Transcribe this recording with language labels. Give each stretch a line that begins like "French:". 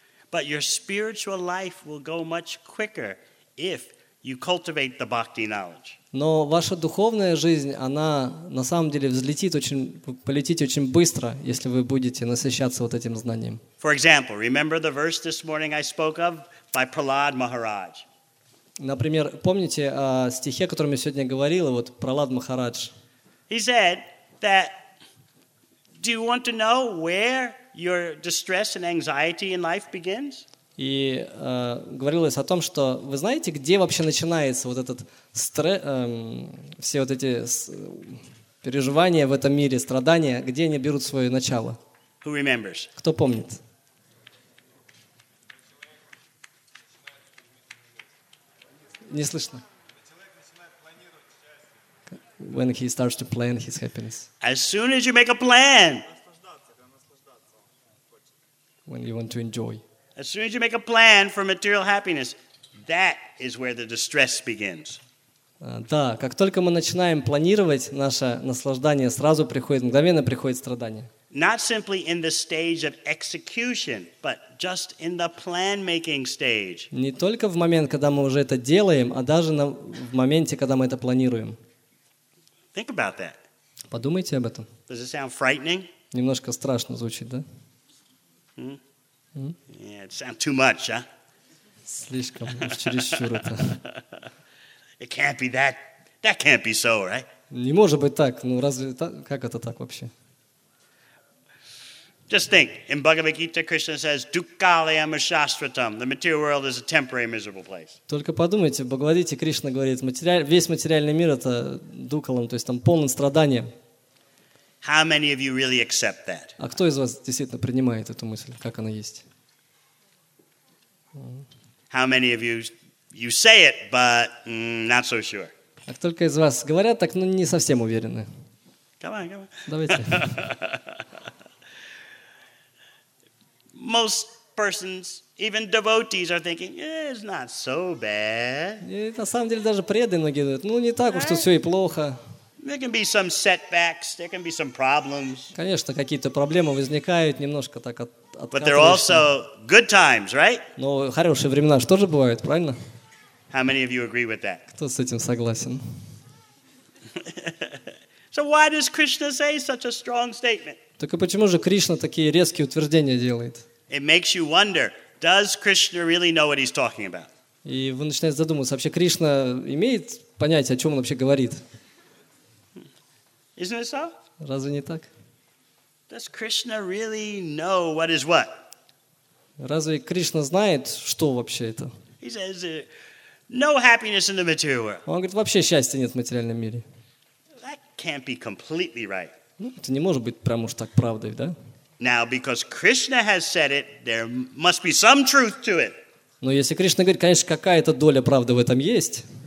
English: But your spiritual life will go much quicker if you cultivate the bhakti knowledge.
Russian: Но ваша духовная жизнь, она на самом деле взлетит очень, полетит очень быстро, если вы будете насыщаться вот этим знанием.
English: For example, remember the verse this morning I spoke of? By Prahlad Maharaj.
Russian: Например, помните о стихе, о котором я сегодня говорил, вот Прахлад Махарадж.
English: He said that, do you want to know where your distress and anxiety in life begins?
Russian: И говорилось о том, что вы знаете, где вообще начинается вот этот стресс, все вот эти переживания в этом мире, страдания, где они берут свое начало?
English: Who remembers?
Russian: Кто помнит? Не слышно.
English: When he starts to plan his happiness. As soon as you make a plan. When you want to enjoy. As soon as you make a plan for material happiness, that is where the distress begins.
Russian: Да, как только мы начинаем планировать наше наслаждение, сразу приходит, мгновенно приходит страдание.
English: Not simply in the stage of execution, but just in the plan-making stage.
Russian: Не только в момент, когда мы уже это делаем, а даже в моменте, когда мы это планируем.
English: Think about that.
Russian: Подумайте об этом.
English: Does it sound frightening?
Russian: Немножко страшно звучит, да?
English: Yeah, it sounds too much, huh?
Russian: Слишком, уж чересчур это.
English: It can't be that. That can't be so, right?
Russian: Не может быть так. Ну разве так? Как это так вообще?
English: Just think. In Bhagavad Gita, Krishna says,
Sanskrit: "Dukkhalayam ashashvatam."
English: The material world is a temporary miserable place.
Russian: Только подумайте, в Бхагавад Гите Кришна говорит, весь материальный мир это дукалам, то есть там полон страданием.
English: How many of you really accept that?
Russian: А кто из вас действительно принимает эту мысль, как она есть?
English: How many of you say it, but not so sure?
Russian: А только из вас говорят так, но не совсем уверены.
English: Come on.
Russian: Давайте.
English: Most persons, even devotees, are thinking, "Eh, it's not so bad."
Russian: На самом деле даже преданные многие говорят, ну не так уж тут все и плохо.
English: There can be some setbacks. There can be some problems.
Russian: Конечно, какие-то проблемы возникают немножко так от.
English: But there are also good times, right?
Russian: Но хорошие времена же тоже бывают, правильно?
English: How many of you agree with that?
Russian: Кто с этим согласен?
English: So why does Krishna say such a strong statement?
Russian: Так и почему же Кришна такие резкие утверждения делает?
English: It makes you wonder: does Krishna really know what he's talking about?
Russian: И вы начинаете задумываться: вообще Кришна имеет понятие, о чем он вообще говорит?
English: Isn't it so?
Russian: Разве не так?
English: Does Krishna really know what is what?
Russian: Разве Кришна знает, что вообще это?
English: He says, no happiness in the material world.
Russian: Он говорит, вообще счастья нет в материальном мире.
English: That can't be completely right.
Russian: Ну, это не может быть прям уж так правдой, да?
English: Now, because Krishna has said it, there must be some truth to it.
Russian: Но если Кришна говорит, конечно, какая-то доля правды в этом есть.